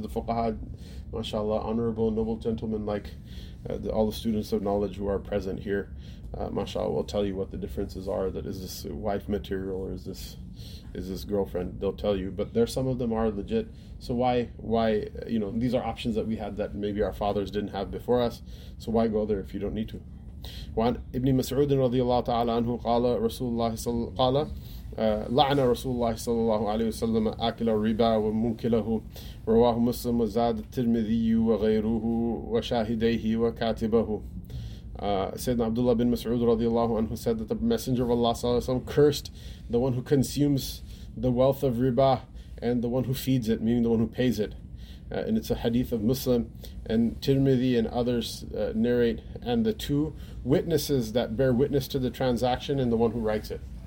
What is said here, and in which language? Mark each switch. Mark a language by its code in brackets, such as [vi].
[en] The fuqaha, mashallah, honorable and noble gentlemen, like all the students of knowledge who are present here, mashallah, will tell you what the differences are. That is this wife material, or is this girlfriend? They'll tell you. But there, some of them are legit. So why, you know, these are options that we had that maybe our fathers didn't have before us. So why go there if you don't need to? [ar] وعن ابن مسعود رضي الله تعالى عنه قال رسول الله صلى قال لعن رسول الله صلى الله عليه وسلم آكل الربا ومنكله رواه مسلم وزاد الترمذي وغيره وشاهديه وكاتبه. [en] Sayyidina Abdullah bin Mas'ud radiallahu anhu said that the Messenger of Allah sallallahu alayhi wa sallam cursed the one who consumes the wealth of riba and the one who feeds it, meaning the one who pays it. And it's a hadith of Muslim, and Tirmidhi and others narrate, and the two witnesses that bear witness to the transaction and the one who writes it.